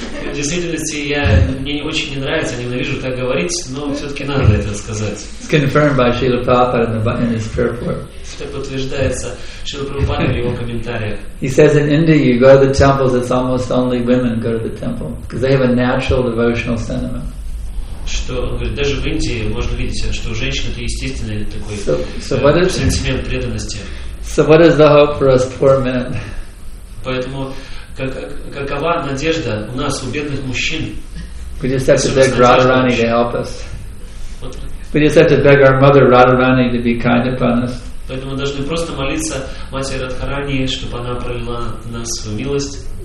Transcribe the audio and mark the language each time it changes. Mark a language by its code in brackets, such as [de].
[ru] В действительности, мне не очень не нравится, ненавижу так говорить, но все-таки надо это сказать. [en] It's confirmed by Srila Prabhupada in his prayer report. [ru] Это подтверждается Шрила Прабхупада в его комментариях. [en] He says in India you go to the temples, it's almost only women go to the temple because they have a natural devotional sentiment. [ru] Что он говорит, даже в Индии можно видеть, что у женщин это естественный такой сентимент преданности. [en] So what is the hope for us poor men? [ru] Поэтому какова надежда у нас у бедных мужчин? [en] We just have to beg Radharani to help us. We just have to beg our mother Radharani to be kind upon us. [ru] Поэтому мы должны просто молиться Матери Радхарани, чтобы она пролила на нас свою милость.